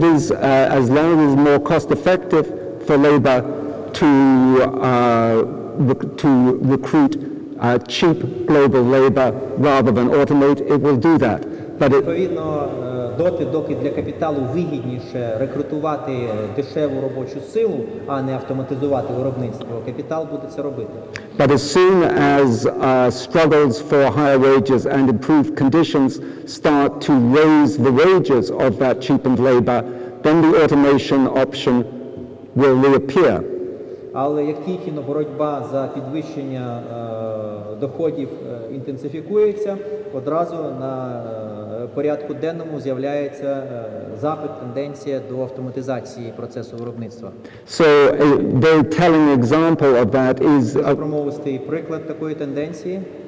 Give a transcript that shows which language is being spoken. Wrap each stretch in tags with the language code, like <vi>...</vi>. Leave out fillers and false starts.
<en>As long as it is more cost effective for labor to recruit cheap global labor rather than automate, it will do that. But</en> <uk>доки для капіталу вигідніше рекрутувати дешеву робочу силу, а не автоматизувати виробництво, капітал буде це робити.</uk> <en>But as soon as struggles for higher wages and improved conditions start to raise the wages of that cheapened labor, then the automation option will reappear.</en> <uk>Але як тільки боротьба за підвищення доходів інтенсифікується, одразу на порядку денному з'являється запит, тенденція до автоматизації процесу виробництва.</uk> <en>So a very telling example of that is</en> <uk>промовисти приклад такої тенденції</uk>